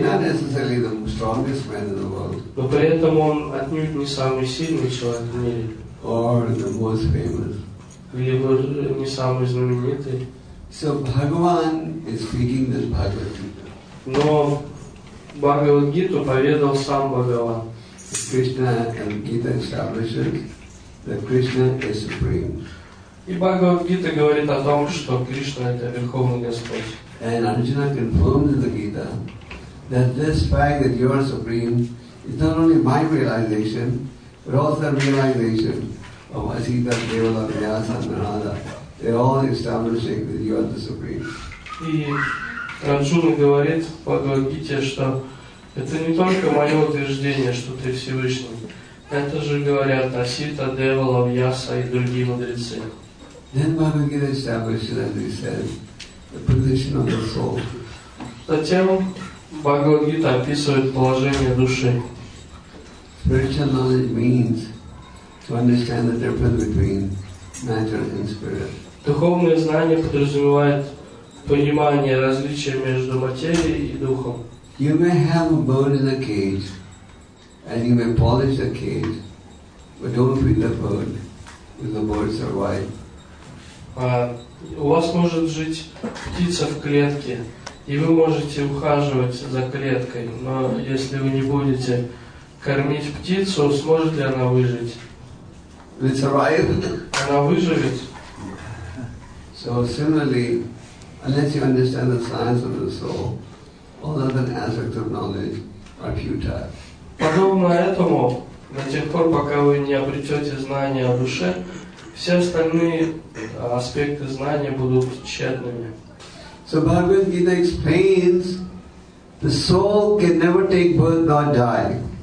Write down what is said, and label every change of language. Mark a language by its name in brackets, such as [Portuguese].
[English] But he's not necessarily the strongest man in the world. [Russian] Но при этом он отнюдь не самый сильный человек в мире. [English] Or the most famous. [Russian] Либо не самый знаменитый. [English] So Bhagavan is speaking this Bhagavad Gita. [Russian] Но Бхагавад Гиту поведал сам Бхагаван. [English] Krishna and Gita establishes that Krishna is supreme. [Russian] И Бхагавад Гита говорит о том, что Кришна — это Верховный Господь. [English] And Arjuna confirms in the Gita that this fact that you are supreme is not only my realization, but also the realization of Asita, Devala, Vyasa, Narada. They're all establishing that you are the Supreme. [Russian] И Арджуна говорит в Бхагавад-гите, что это не только мое утверждение, что ты Всевышний. Это же говорят Асита, Девала, Вьяса и другие мудрецы. [English] Then Bhagavad-gita establishes, as we said, the position of the soul. [Russian] Затем Бхагавад-гита описывает положение души. [English] Spiritual knowledge means to understand the difference between matter and spirit. [Russian] Духовное знание подразумевает понимание различия между материей и духом. [English] You may have a bird in a cage, and you may polish the cage, but don't feed the bird, if the bird survive. [Russian] У вас может жить птица в клетке, и вы можете ухаживать за клеткой, но если вы не будете кормить птицу, сможет ли она выжить? [English] It survive. [Russian] Она выживет. [English] So similarly, unless you understand the science of the soul, all other aspects of knowledge are futile. [Russian] Подобно этому, до тех пор, пока вы не обретете знания о душе, все остальные аспекты знания будут тщетными. [English] So Bhagavad Gita explains the soul can never take birth nor die.